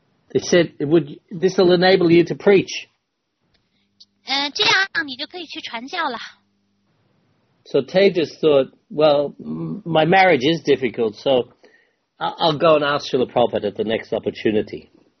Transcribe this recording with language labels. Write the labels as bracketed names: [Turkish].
[English] They said, this will enable you to preach. [Chinese] 这样你就可以去传教了。 [English] So Tejas thought, well, my marriage is difficult, so I'll go and ask Srila Prabhupada at the next opportunity.